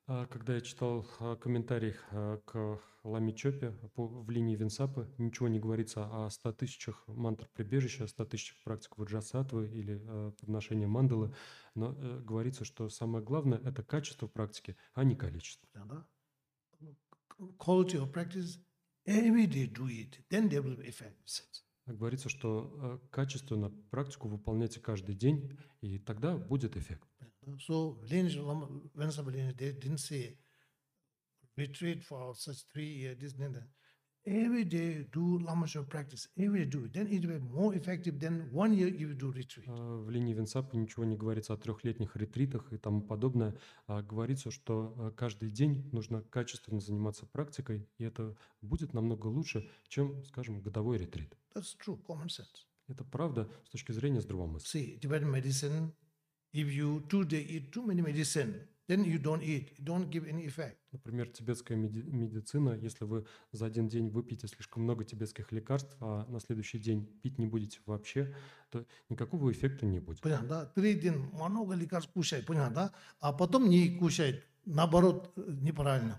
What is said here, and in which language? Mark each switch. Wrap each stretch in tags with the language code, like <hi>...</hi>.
<ru>Когда я читал комментарий к Лами Чопе в линии Винсапы, ничего не говорится о 100 тысячах мантр прибежища, о 100 тысячах практик ваджрасатвы или подношения мандалы, но говорится, что самое главное – это качество практики, а не количество.</ru> <en>Quality of practice, every day do it, then there will be effects.</en> <ru>Говорится, что качественную практику выполняйте каждый день, и тогда будет эффект.</ru> <en>So, Venerable Lineage, they didn't say retreat for such 3 years, this and that. Every day do lamasha practice, every day do it. Then it will be more effective than 1 year if you do retreat.</en> <ru>В линии Винсапы ничего не говорится о трехлетних ретритах и тому подобное. Говорится, что каждый день нужно качественно заниматься практикой, и это будет намного лучше, чем, скажем, годовой ретрит.</ru> <en>That's true, common sense.</en> <ru>Это правда с точки зрения здравомыслия.</ru> <en>See, Tibetan medicine, if you today eat too many medicine, then you don't eat, it don't give any effect.</en> <ru>Например, тибетская медицина, если вы за один день выпьете слишком много тибетских лекарств, а на следующий день пить не будете вообще, то никакого эффекта не будет. Понятно, да? 3 дня много лекарств кушает, понятно, да? А потом не кушает, наоборот, неправильно.</ru>